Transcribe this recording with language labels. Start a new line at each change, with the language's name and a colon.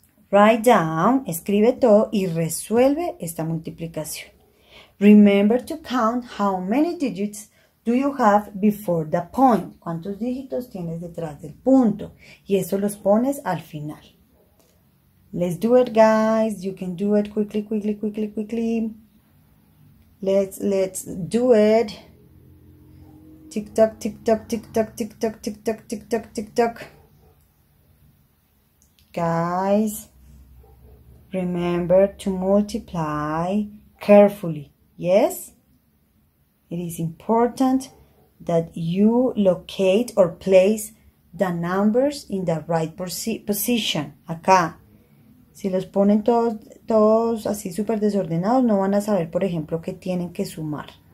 English: Write down,
Spanish: escribe todo y resuelve esta multiplicación.
English: Remember to count how many digits do you have before the point.
Spanish: ¿Cuántos dígitos tienes detrás del punto? Y eso los pones al final.
English: Let's do it, guys. You can do it quickly, quickly, quickly, quickly. Let's do it. Tick tock, tick tock, tick tock, tick tock, tick tock, tick tock, tick tock. Guys, remember to multiply carefully. Yes? It is important that you locate or place the numbers in the right position. Acá.
Spanish: Si los ponen todos así súper desordenados, no van a saber, por ejemplo, que tienen que sumar.